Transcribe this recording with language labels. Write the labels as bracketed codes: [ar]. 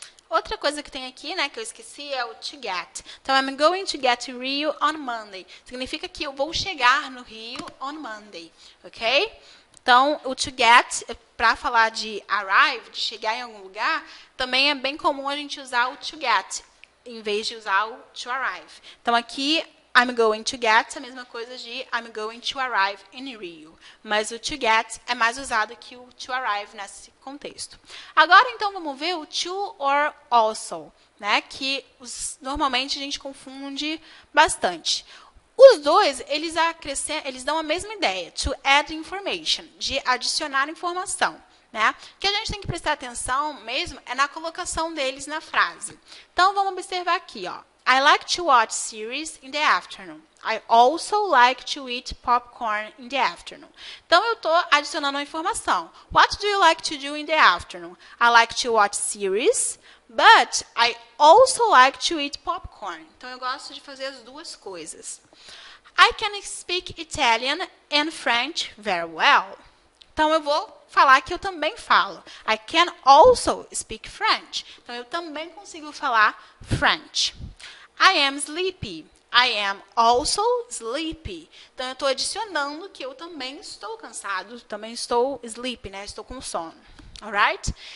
[pt] Outra coisa que tem aqui, né, que eu esqueci, é o to get. Então, [en] I'm going to get to Rio on Monday. [pt] Significa que eu vou chegar no Rio [en] on Monday, [pt] ok? Então, o to get, para falar de arrive, de chegar em algum lugar, também é bem comum a gente usar o to get, em vez de usar o to arrive. Então, aqui, [en] I'm going to get, [pt] a mesma coisa de [en] I'm going to arrive in Rio. [pt] Mas o to get é mais usado que o to arrive nesse contexto. Agora, então, vamos ver o to or also, né? Que normalmente a gente confunde bastante. Os dois, eles dão a mesma ideia, [en] to add information, [pt] de adicionar informação. Né? O que a gente tem que prestar atenção mesmo é na colocação deles na frase. Então, vamos observar aqui, ó. [en] I like to watch series in the afternoon. I also like to eat popcorn in the afternoon. [pt] Então, eu estou adicionando uma informação. [en] What do you like to do in the afternoon? I like to watch series, but I also like to eat popcorn. [pt] Então, eu gosto de fazer as duas coisas. [en] I can speak Italian and French very well. [pt] Então, eu vou falar que eu também falo. [en] I can also speak French. [pt] Então, eu também consigo falar French. [en] I am sleepy. I am also sleepy. [pt] Então, eu estou adicionando que eu também estou cansado, também estou sleepy, né? Estou com sono. [en] Alright?